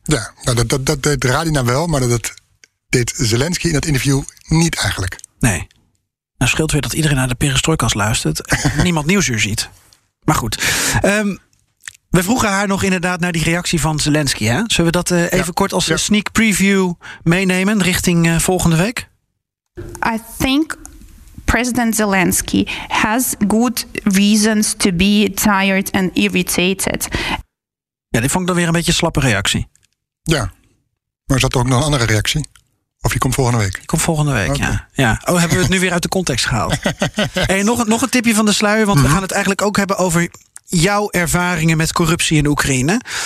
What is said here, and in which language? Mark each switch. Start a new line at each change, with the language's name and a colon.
Dutch: Ja, nou, dat deed Radina wel, maar dat deed Zelensky in dat interview niet eigenlijk. Nee. Nou scheelt weer dat iedereen naar de Perestroikas luistert en niemand Nieuwsuur ziet. Maar goed. We vroegen haar nog inderdaad naar die reactie van Zelensky. Hè? Zullen we dat even kort als sneak preview meenemen richting volgende week?
English: I think President Zelensky has good reasons to be tired and irritated.
Dutch: Ja, die vond ik dan weer een beetje een slappe reactie. Ja, maar is dat ook nog een andere reactie? Of je komt volgende week? Ik kom volgende week, okay. Ja. Ja. Oh, hebben we het nu weer uit de context gehaald. Hey, nog een tipje van de sluier, want mm-hmm. we gaan het eigenlijk ook hebben over jouw ervaringen met corruptie in Oekraïne.